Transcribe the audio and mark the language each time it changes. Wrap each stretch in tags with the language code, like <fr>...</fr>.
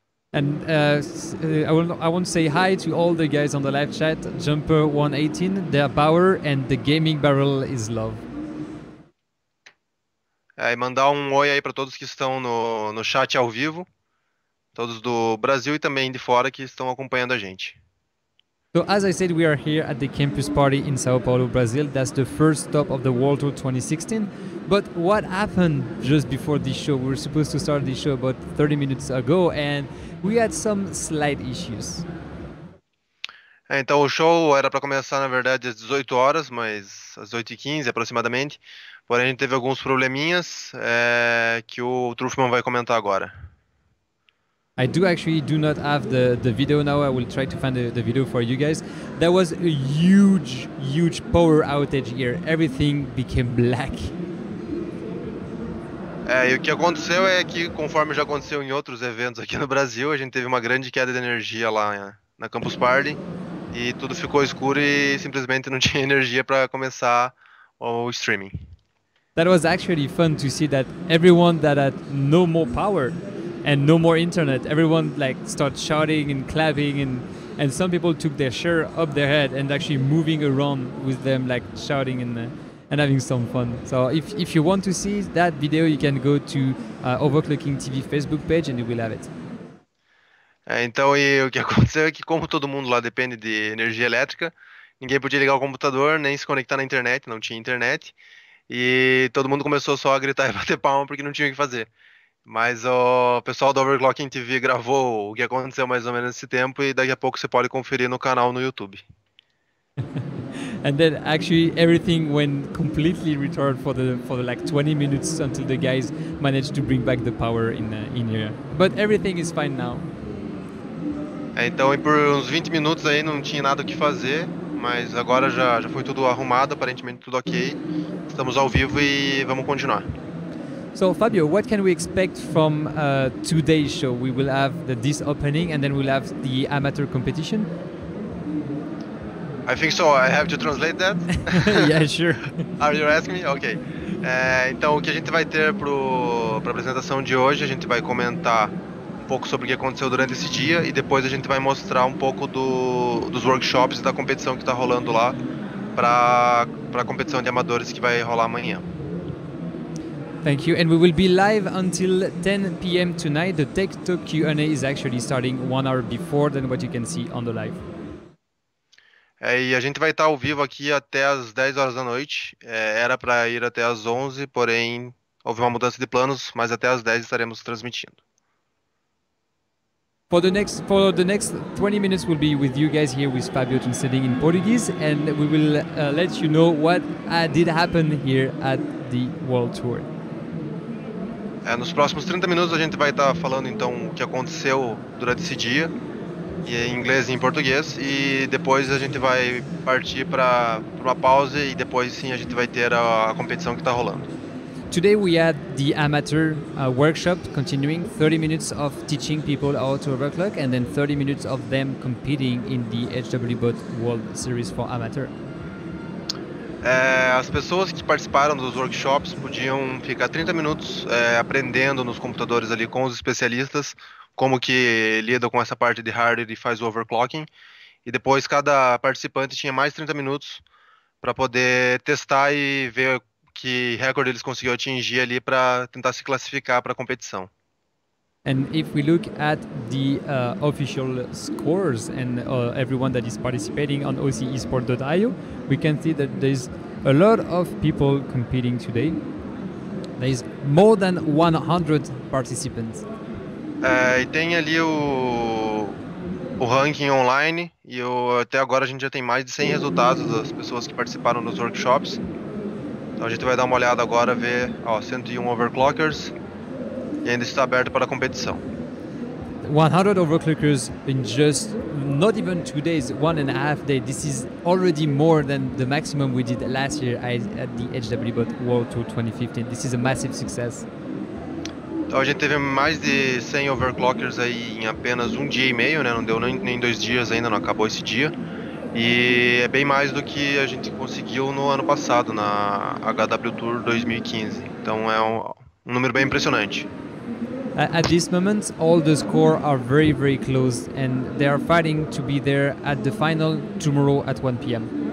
<en>And I want to say hi to all the guys on the live chat. Jumper 118, their power and the gaming barrel is love.</en> <pt>É, e mandar um oi aí para todos que estão no chat ao vivo. Todos do Brasil e também de fora que estão acompanhando a gente.</pt> <en>So, as I said, we are here at the Campus Party in Sao Paulo, Brazil. That's the first stop of the World Tour 2016. But what happened just before this show? We were supposed to start this show about 30 minutes ago and we had some slight issues.</en> <pt>É, então, o show era para começar, na verdade, às 18 horas, mas às 8h15 aproximadamente. Porém, a gente teve alguns probleminhas que o Truffman vai comentar agora.</pt> <en>I do not have the video now. I will try to find the video for you guys. There was a huge, huge power outage here. Everything became black.</en> <pt>É, e o que aconteceu é que, conforme já aconteceu em outros eventos aqui no Brasil, a gente teve uma grande queda de energia lá na Campus Party e tudo ficou escuro e simplesmente não tinha energia para começar o streaming.</pt> <en>That was actually fun to see that everyone that had no more power and no more internet, everyone like start shouting and clapping and some people took their shirt up their head and actually moving around with them like shouting and having some fun. So if you want to see that video, you can go to Overclocking TV Facebook page and you will have it.</en> <pt>É, então, e o que aconteceu é que como todo mundo lá depende de energia elétrica, ninguém podia ligar o computador nem se conectar na internet, não tinha internet, e todo mundo começou só a gritar e bater palma porque não tinha o que fazer. Mas o pessoal do Overclocking TV gravou o que aconteceu mais ou menos nesse tempo e daqui a pouco você pode conferir no canal no YouTube.</pt> <en>And then actually everything went completely retarded for the like 20 minutes until the guys managed to bring back the power in here. But everything is fine now.</en> <pt>É, então por uns 20 minutos aí não tinha nada o que fazer, mas agora já foi tudo arrumado, aparentemente tudo ok. Estamos ao vivo e vamos continuar.</pt> <en>So Fabio, what can we expect from today's show? We will have this opening and then we'll have the amateur competition. I think so. I have to translate that. Yeah, sure. Are you asking me? Okay.</en> <pt>Então o que a gente vai ter para a apresentação de hoje, a gente vai comentar um pouco sobre o que aconteceu durante esse dia e depois a gente vai mostrar um pouco dos workshops e da competição que está rolando lá para a competição de amadores que vai rolar amanhã.</pt> <en>Thank you, and we will be live until 10 p.m. tonight. The Tech Talk Q&A is actually starting 1 hour before than what you can see on the live.</en> <pt>E a gente vai estar ao vivo aqui até às 10 horas da noite. Era para ir até às 11, porém houve uma mudança de planos, mas até às 10 estaremos transmitindo.</pt> <en>For the next 20 minutes, we'll be with you guys here with Fabio translating in Portuguese, and we will let you know what did happen here at the World Tour.</en> <pt>Nos próximos 30 minutos a gente vai estar falando então o que aconteceu durante esse dia, e em inglês e em português, e depois a gente vai partir para uma pausa e depois sim a gente vai ter a competição que está rolando.</pt> <en>Today we had the amateur workshop continuing 30 minutes of teaching people how to overclock and then 30 minutes of them competing in the HWBOT World Series for amateur.</en> <pt>As pessoas que participaram dos workshops podiam ficar 30 minutos aprendendo nos computadores ali com os especialistas como que lida com essa parte de hardware e faz o overclocking. E depois cada participante tinha mais 30 minutos para poder testar e ver que recorde eles conseguiram atingir ali para tentar se classificar para a competição.</pt> <en>And if we look at the official scores and everyone that is participating on oceesport.io, we can see that there's a lot of people competing today. There's more than 100 participants.</en> <pt>E tem ali o ranking online, e até agora a gente já tem mais de 100 resultados das pessoas que participaram dos workshops. Então a gente vai dar uma olhada agora, ver, ó, 101 overclockers, e ainda está aberto para a competição.</pt> <en>100 overclockers in just not even 2 days, 1.5 days. This is already more than the maximum we did last year at the HWBOT World Tour 2015. This is a massive success.</en> <pt>Então a gente teve mais de 100 overclockers aí em apenas um dia e meio, né? Não deu nem 2 dias ainda, não acabou esse dia. E é bem mais do que a gente conseguiu no ano passado, na HW Tour 2015. Então é um número bem impressionante.</pt> <en>At this moment, all the scores are very, very close, and they are fighting to be there at the final tomorrow at 1 p.m.</en>